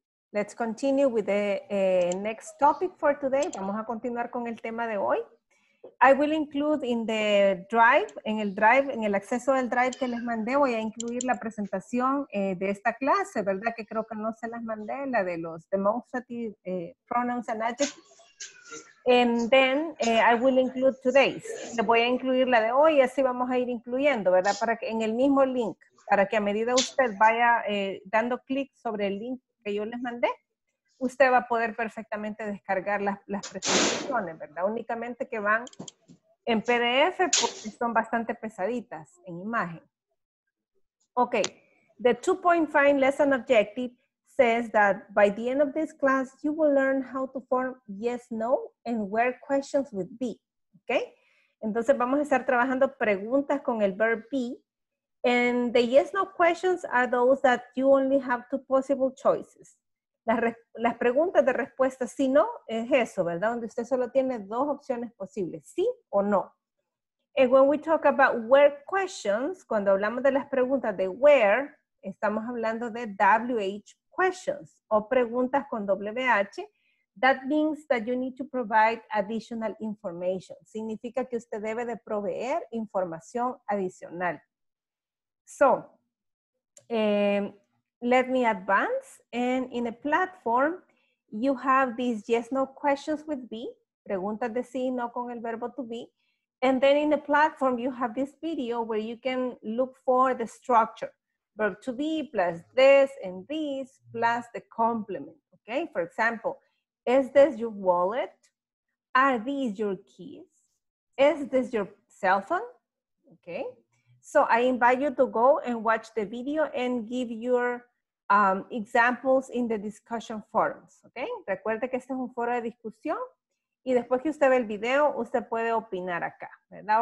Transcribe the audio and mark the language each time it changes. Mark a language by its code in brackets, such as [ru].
[en] Let's continue with the next topic for today. [es] Vamos a continuar con el tema de hoy. [en] I will include in the drive, [es] en el drive, en el acceso del drive que les mandé, voy a incluir la presentación de esta clase, ¿verdad? Que creo que no se las mandé, la de los demonstrative pronouns and adjectives. [en] And then I will include today's. [es] Le voy a incluir la de hoy y así vamos a ir incluyendo, ¿verdad? Para que en el mismo link, para que a medida usted vaya dando clic sobre el link que yo les mandé, usted va a poder perfectamente descargar las presentaciones, ¿verdad? Únicamente que van en PDF porque son bastante pesaditas en imagen. [en] Ok, the 2.5 lesson objective says that by the end of this class, you will learn how to form yes, no, and where questions with be. [es] Ok, entonces vamos a estar trabajando preguntas con el verb be. [en] And the yes, no questions are those that you only have two possible choices. [es] Las preguntas de respuesta sí, no, es eso, ¿verdad? Donde usted solo tiene dos opciones posibles, sí o no. [en] And when we talk about where questions, [es] cuando hablamos de las preguntas de where, estamos hablando de WH questions, o preguntas con WH, [en] that means that you need to provide additional information. [es] Significa que usted debe de proveer información adicional. [en] So, let me advance, and in a platform, you have these yes-no questions with be, [es] preguntas de sí y no con el verbo to be, [en] and then in the platform, you have this video where you can look for the structure, verb to be plus this and this plus the complement, okay? For example, is this your wallet? Are these your keys? Is this your cell phone? Okay? So I invite you to go and watch the video and give your examples in the discussion forums, okay? [es] Recuerde que este es un foro de discusión y después que usted ve el video, usted puede opinar acá, ¿verdad?